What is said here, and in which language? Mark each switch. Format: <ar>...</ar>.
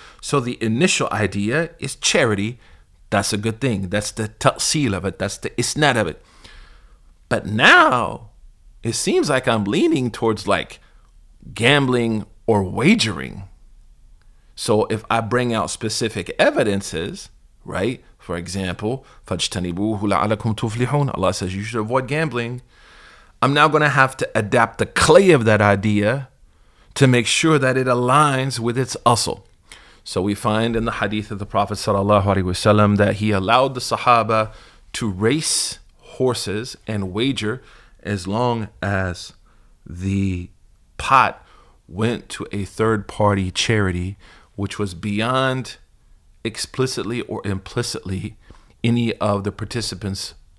<en>So the initial idea is charity. That's a good thing. That's the ta'seel of it. That's the isnad of it. But now, it seems like I'm leaning towards like gambling or wagering. So if I bring out specific evidences, right? For example,</en> <ar>فَاجْتَنِبُوهُ لَعَلَكُمْ تُفْلِحُونَ.</ar> <en>Allah says you should avoid gambling. I'm now going to have to adapt the clay of that idea to make sure that it aligns with its usul. So we find in the hadith of the Prophet ﷺ that he allowed the Sahaba to race horses and wager as long as the pot went to a third-party charity, which was beyond explicitly or implicitly any of the participants.</en>